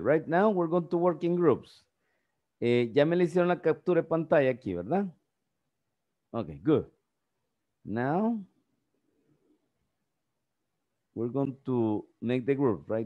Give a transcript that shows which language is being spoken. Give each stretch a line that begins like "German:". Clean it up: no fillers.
English: Right now we're going to work in groups.
Spanish: Ya me le hicieron la captura de pantalla aquí, ¿verdad?
English: Okay, good. Now we're going to make the group, right?